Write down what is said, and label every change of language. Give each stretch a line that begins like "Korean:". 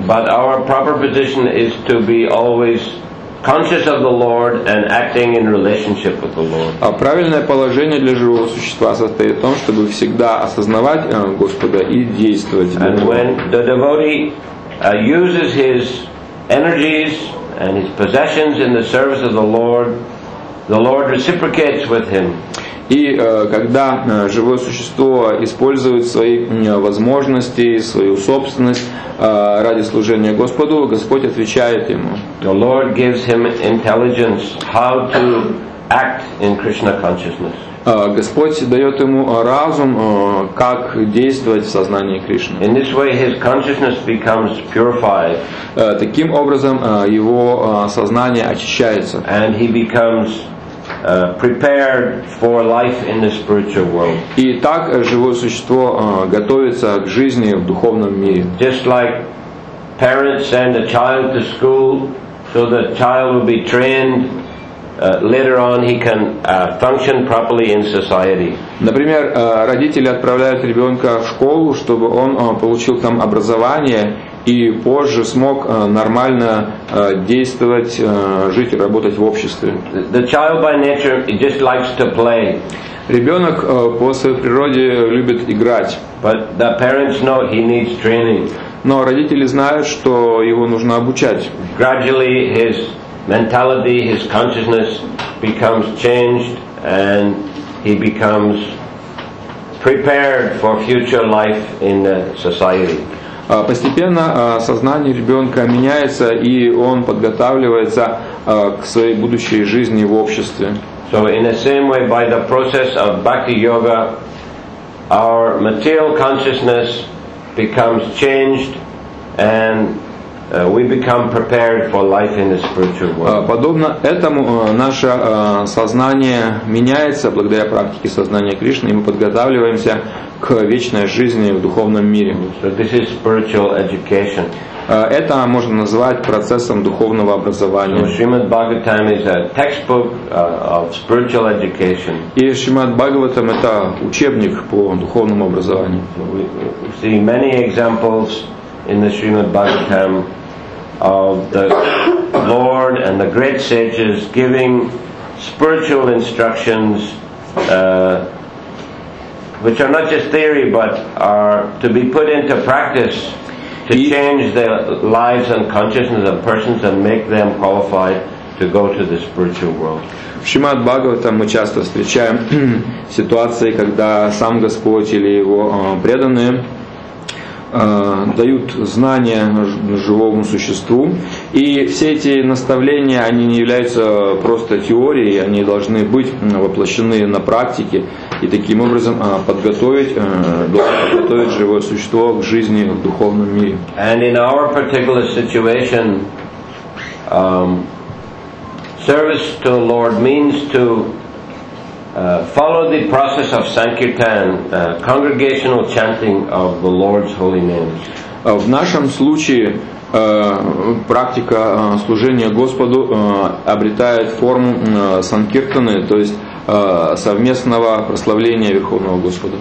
English: But our proper position is to be always conscious of the Lord and acting in relationship with the Lord.
Russian: А правильное положение для живого существа состоит в том, чтобы всегда осознавать Господа и действовать.
English: And when the devotee uses his energies and his possessions in the service of the Lord reciprocates with him.
Russian: И когда живое существо использует свои возможности, свою собственность ради служения Господу, Господь отвечает ему.
English: The Lord gives him intelligence how to act in Krishna consciousness.
Russian: Господь дает ему разум, как действовать в сознании Кришны.
English: In this way his consciousness becomes purified.
Russian: Таким образом его сознание очищается.
English: And he becomes prepared for life in the spiritual world.
Russian: И так живое существо готовится к жизни в духовном мире.
English: Just like parents send a child to school so the child will be trained later on he can function properly in society.
Russian: Например, родители отправляют ребенка в школу, чтобы он получил там образование и позже смог нормально действовать, жить и работать в обществе.
English: The child by nature just likes to play.
Russian: Ребенок по своей природе любит играть.
English: But the parents know he needs training.
Russian: Но родители знают, что его нужно обучать.
English: Gradually his mentality, his consciousness becomes changed, and he becomes prepared for future life in the society.
Russian: Постепенно сознание ребенка меняется, и он подготавливается к своей будущей жизни в обществе.
English: So in the same way, by the process of bhakti yoga, our material consciousness becomes changed, and we become prepared for life in the spiritual world.
Russian: Подобно этому наше сознание меняется благодаря практике сознания Кришны, и мы подготавливаемся к вечной жизни в духовном мире.
English: So this is spiritual education.
Russian: Это можно назвать процессом духовного образования.
English: Shrimad Bhagavatam is a textbook of spiritual education.
Russian: И Shrimad Bhagavatam это учебник по духовному образованию.
English: We see many examples in the Shrimad Bhagavatam of the Lord and the great sages giving spiritual instructions which are not just theory but are to be put into practice to change the lives and consciousness of persons and make them qualified to go to the spiritual world.
Russian: В Шримад Бхагаватам мы часто встречаем ситуации, когда сам Господь или его преданные дают знания живому существу, и все эти наставления, они не являются просто теорией, они должны быть воплощены на практике и таким образом подготовить живое существо к жизни в духовном мире.
English: And in our particular situation, service to the Lord means to follow the process of sankirtan, congregational chanting of the Lord's holy names.
Russian: В нашем случае практика служения Господу обретает форму санкиртаны, то есть совместного прославления Верховного Господа.